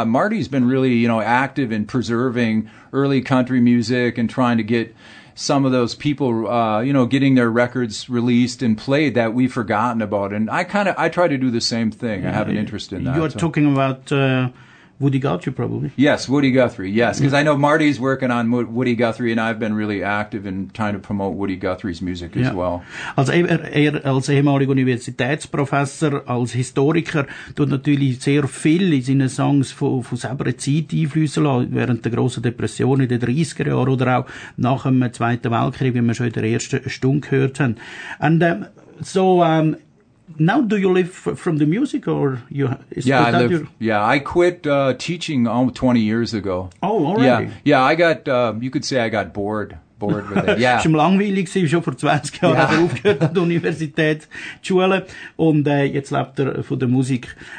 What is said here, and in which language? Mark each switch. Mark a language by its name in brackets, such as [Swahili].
[English] And Marty's been really, you know, active in preserving early country music and trying to get some of those people, getting their records released and played that we've forgotten about. And I try to do the same thing. Yeah, I have an interest in that. You're talking about Woody Guthrie, probably. Yes, Woody Guthrie, yes. Because I know Marty's working on Woody Guthrie, and I've been really active in trying to promote Woody Guthrie's music as well. [German] Also er als ehemaliger Universitätsprofessor, als Historiker, tut natürlich sehr viel in seinen Songs von selber Zeit einflüssen lassen, während der grossen Depression in den 30er Jahren oder auch nach dem Zweiten Weltkrieg, wie wir schon in der ersten Stunde gehört haben. [English] And now, do you live from the music, or you? I quit teaching 20 years ago. Oh, already? Yeah, I got. You could say I got bored with it. Yeah, [German] schon langweilig war schon vor 20 Jahren aufgehört an der Universität schule, und jetzt lebt er von der Musik.